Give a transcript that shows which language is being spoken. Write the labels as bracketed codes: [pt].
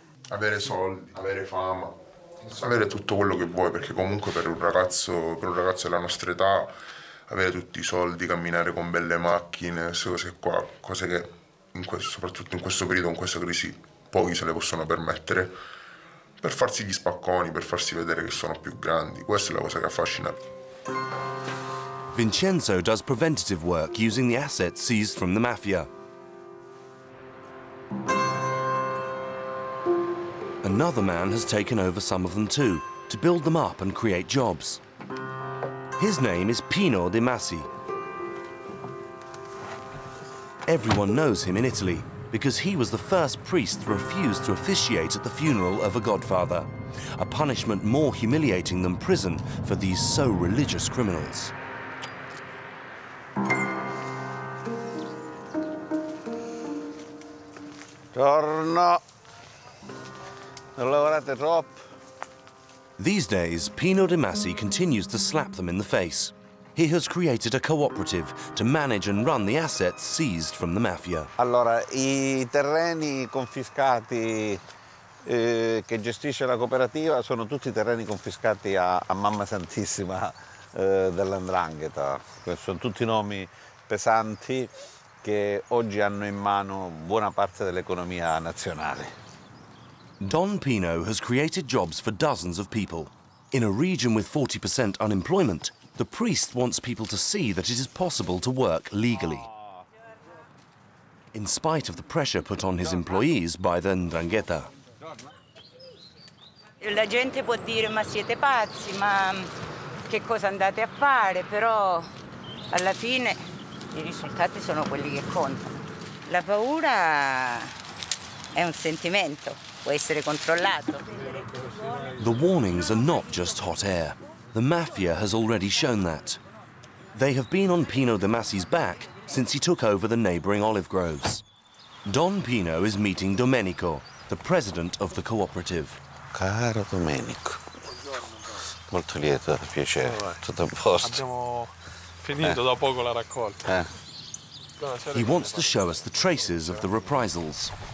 [it] Avere soldi, avere fama, avere tutto quello che vuoi, perché comunque per un ragazzo della nostra età avere tutti i soldi, camminare con belle macchine, queste cose qua, cose che soprattutto in questo periodo, in questa crisi, pochi se le possono permettere, per farsi gli spacconi, per farsi vedere che sono più grandi, questa è la cosa che affascina. [en] Vincenzo does preventative work using the assets seized from the mafia. Another man has taken over some of them too, to build them up and create jobs. His name is Pino De Masi. Everyone knows him in Italy because he was the first priest to refuse to officiate at the funeral of a godfather, a punishment more humiliating than prison for these so religious criminals. [it] Torno. Non lavorate troppo. [en] These days, Pino De Masi continues to slap them in the face. He has created a cooperative to manage and run the assets seized from the mafia. [it] Allora, i terreni confiscati che gestisce la cooperativa sono tutti terreni confiscati a Mamma Santissima dell'Ndrangheta. Sono tutti nomi pesanti che oggi hanno in mano buona parte dell'economia nazionale. [en] Don Pino has created jobs for dozens of people. In a region with 40% unemployment, the priest wants people to see that it is possible to work legally. In spite of the pressure put on his employees by the Ndrangheta. [it] La gente può dire ma siete pazzi, ma che cosa andate a fare? Però alla fine i risultati sono quelli che contano. La paura è un sentimento. [en] The warnings are not just hot air. The mafia has already shown that. They have been on Pino De Masi's back since he took over the neighboring olive groves. Don Pino is meeting Domenico, the president of the cooperative. [it] Caro Domenico, molto lieto, piacere, tutto a posto. Abbiamo finito da poco la raccolta. [en] He wants to show us the traces of the reprisals.